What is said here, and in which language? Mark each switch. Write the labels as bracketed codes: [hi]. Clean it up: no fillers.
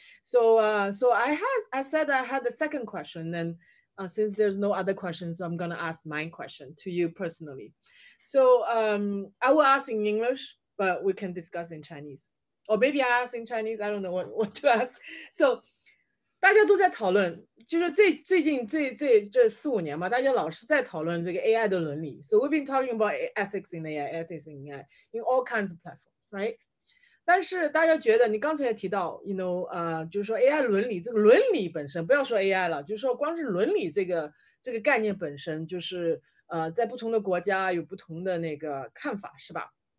[en] So I said I had the second question. And since there's no other questions, I'm going to ask my question to you personally. So I will ask in English, but we can discuss in Chinese. Or maybe I ask in Chinese, I don't know what to ask. [zh] So, 大家都在讨论，就是最近这四五年嘛， 大家老是在讨论这个AI的伦理。 [en] So we've been talking about ethics in AI, ethics in AI, in all kinds of platforms, right? [zh] 但是大家觉得你刚才也提到, you know, 就是说AI伦理, 这个伦理本身, 不要说AI了, 就是说光是伦理这个概念本身, 就是, 在不同的国家, 有不同的那个看法, 是吧?